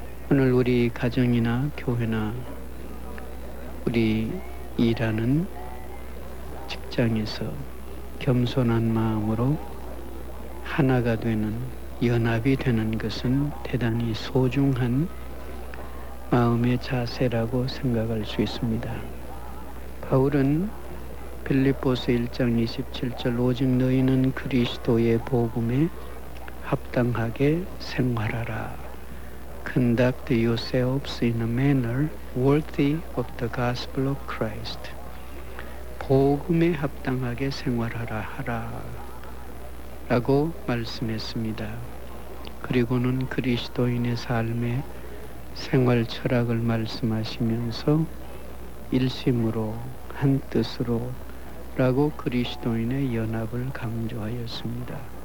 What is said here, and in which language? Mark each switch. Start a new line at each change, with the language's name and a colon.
Korean: 오늘 우리 가정이나 교회나 우리 일하는 직장에서 겸손한 마음으로 하나가 되는 연합이 되는 것은 대단히 소중한 마음의 자세라고 생각할 수 있습니다. 바울은 빌립보서 1장 27절 오직 너희는 그리스도의 복음에 합당하게 생활하라.
English: Conduct yourselves in a manner worthy of the gospel of Christ.
Korean: 복음에 합당하게 생활하라 하라 라고 말씀했습니다. 그리고는 그리스도인의 삶의 생활 철학을 말씀하시면서 일심으로 한뜻으로 라고 그리스도인의 연합을 강조하였습니다.